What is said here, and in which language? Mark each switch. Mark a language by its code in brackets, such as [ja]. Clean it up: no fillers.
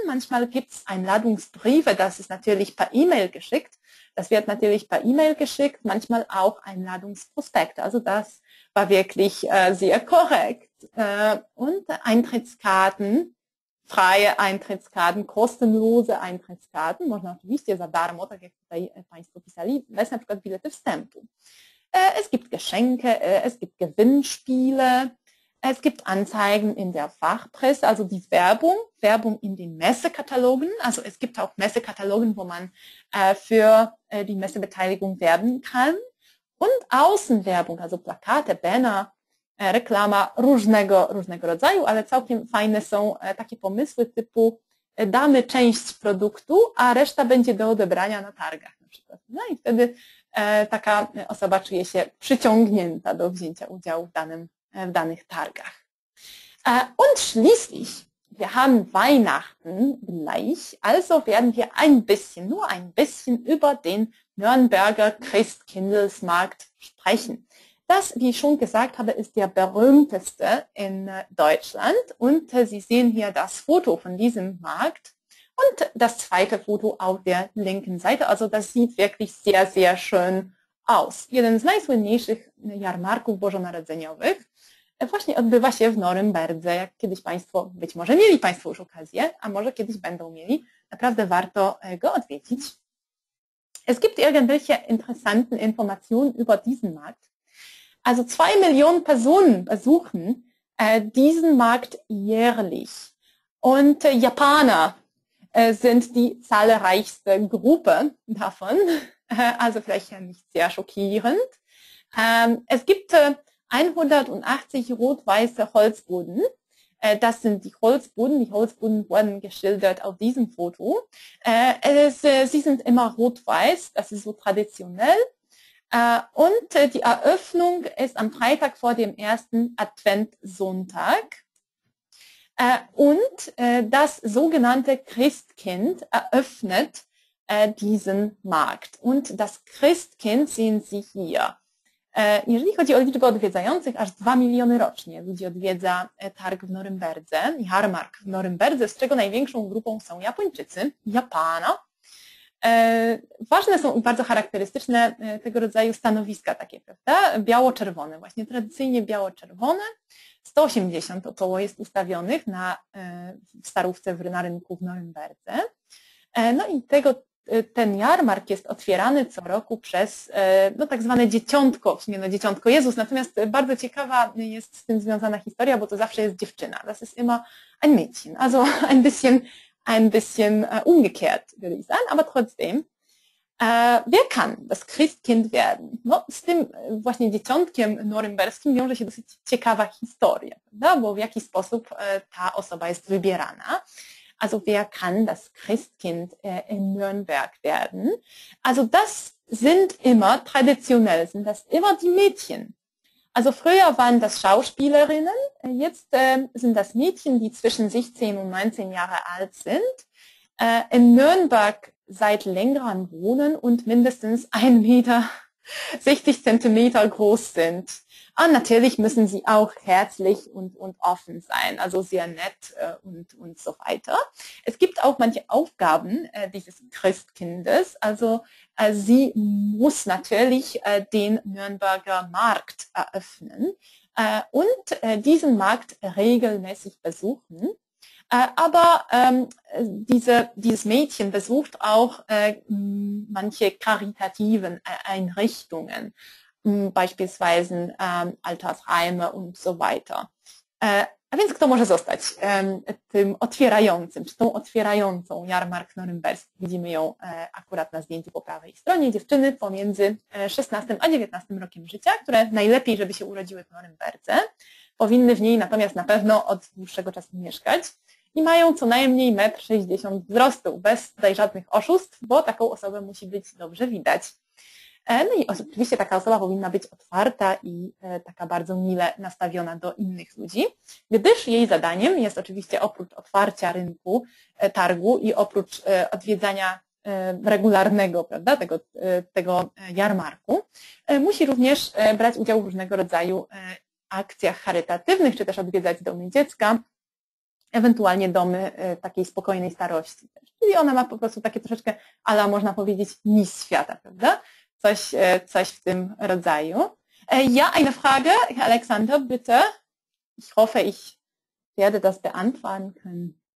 [de] Manchmal gibt es Einladungsbriefe, das ist natürlich per E-Mail geschickt. Das wird natürlich per E-Mail geschickt, manchmal auch Einladungsprospekte. Also das war wirklich sehr korrekt. Und Eintrittskarten, freie Eintrittskarten, kostenlose Eintrittskarten. [pl] Można oczywiście za darmo, tak jak tutaj Państwo pisali, bez na przykład bilety wstępu. [de] Es gibt Geschenke, es gibt Gewinnspiele, es gibt Anzeigen in der Fachpresse, also die Werbung in den Messekatalogen. Also es gibt auch Messekatalogen, wo man für die Messebeteiligung werben kann. Und Außenwerbung, also Plakate, Banner, [pl] Reklama różnego rodzaju, ale całkiem fajne są takie pomysły typu damy część produktu, a reszta będzie do odebrania na targach na przykład. No i wtedy taka osoba czuje się przyciągnięta do wzięcia udziału w danych targach. [de] Und schließlich, wir haben Weihnachten gleich, also werden wir nur ein bisschen über den Nürnberger Christkindlesmarkt sprechen. Das, wie ich schon gesagt habe, ist der berühmteste in Deutschland und Sie sehen hier das Foto von diesem Markt und das zweite Foto auf der linken Seite, also das sieht wirklich sehr, sehr schön aus. [pl] Jeden z najsłynniejszych jarmarków bożonarodzeniowych właśnie odbywa się w Norymberdze, jak kiedyś Państwo, być może mieli Państwo już okazję, a może kiedyś będą mieli, naprawdę warto go odwiedzić. [de] Es gibt irgendwelche interessanten Informationen über diesen Markt. Also 2 Millionen Personen besuchen diesen Markt jährlich. Und Japaner sind die zahlreichste Gruppe davon. Also vielleicht nicht sehr schockierend. Es gibt 180 rot-weiße Holzbuden. Das sind die Holzbuden. Die Holzbuden wurden geschildert auf diesem Foto. Sie sind immer rot-weiß. Das ist so traditionell. Und die Eröffnung ist am Freitag vor dem ersten Adventssonntag. Und das sogenannte Christkind eröffnet diesen Markt. Und das Christkind sehen Sie hier. [pl] Jeżeli chodzi o liczbę odwiedzających, aż 2 miliony rocznie ludzi odwiedza targ w Norymberdze, jarmark w Norymberdze, z czego największą grupą są Japończycy, Japana. Ważne są bardzo charakterystyczne tego rodzaju stanowiska takie, prawda? Biało-czerwone, właśnie tradycyjnie biało-czerwone. 180 około jest ustawionych w starówce na rynku w Norymberdze. No i ten jarmark jest otwierany co roku przez no, tak zwane dzieciątko, w sumie no, dzieciątko Jezus. Natomiast bardzo ciekawa jest z tym związana historia, bo to zawsze jest dziewczyna. [de] Das ist immer ein Mädchen, also ein bisschen umgekehrt, würde ich sagen, aber trotzdem. Wer kann das Christkind werden? [pl] No, z tym właśnie dzieciątkiem norymberskim wiąże się dosyć ciekawa historia, prawda? Bo w jaki sposób ta osoba jest wybierana. [de] Also wer kann das Christkind in Nürnberg werden? Also das sind immer traditionell, sind das immer die Mädchen. Also früher waren das Schauspielerinnen, jetzt sind das Mädchen, die zwischen 16 und 19 Jahre alt sind, in Nürnberg seit längerem wohnen und mindestens 1,60 Meter groß sind. Und natürlich müssen sie auch herzlich und offen sein, also sehr nett und so weiter. Es gibt auch manche Aufgaben dieses Christkindes. Also sie muss natürlich den Nürnberger Markt eröffnen und diesen Markt regelmäßig besuchen. Aber dieses Mädchen besucht auch manche karitativen Einrichtungen. Beispielsweise Altersheime und so weiter. [pl] A więc kto może zostać tym otwierającym, czy tą otwierającą jarmark norymberski? Widzimy ją akurat na zdjęciu po prawej stronie. Dziewczyny pomiędzy 16 a 19 rokiem życia, które najlepiej, żeby się urodziły w Norymberdze, powinny w niej natomiast na pewno od dłuższego czasu mieszkać i mają co najmniej 1,60 m wzrostu, bez tutaj żadnych oszustw, bo taką osobę musi być dobrze widać. No i oczywiście taka osoba powinna być otwarta i taka bardzo mile nastawiona do innych ludzi, gdyż jej zadaniem jest oczywiście oprócz otwarcia rynku, targu i oprócz odwiedzania regularnego, prawda, tego jarmarku, musi również brać udział w różnego rodzaju akcjach charytatywnych, czy też odwiedzać domy dziecka, ewentualnie domy takiej spokojnej starości. Czyli ona ma po prostu takie troszeczkę, ale można powiedzieć, miss świata, prawda? Coś w tym Rodzaju. [de] Ja eine Frage, Herr Alexander, bitte. Ich hoffe, ich werde das beantworten können.